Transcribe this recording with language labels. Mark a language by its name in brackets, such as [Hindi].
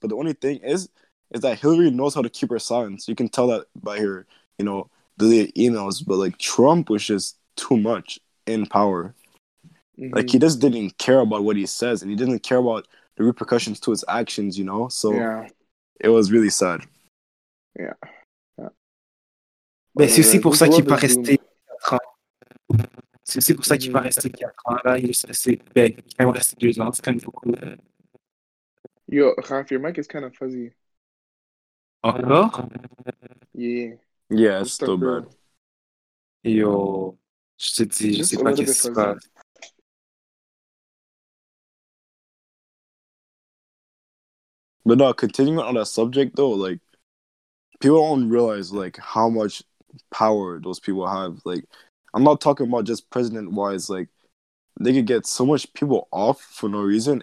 [English] But the only thing is that Hillary knows how to keep her silence. You can tell that by her, you know, deleted emails. But, like, Trump was just too much in power. Mm-hmm. Like, he just didn't care about what he says, and he didn't care about the repercussions to his actions, you know? So yeah. It was really sad. Yeah. [French] Mais c'est aussi pour ça qu'il va rester 4 ans. C'est aussi pour ça qu'il va rester 4 ans là. Il va rester 2 ans, c'est quand même beaucoup. [English] Yo, Raph, your mic is kind of fuzzy. [French] Encore? [English] Yeah. Yeah, it's still bad. [French] Yo, je te dis, je sais pas qu'est-ce qui se passe. [English] But no, continuing on that subject though, like, people don't realize, like, how much power those people have. Like, I'm not talking about just president-wise. Like, they could get so much people off for no reason.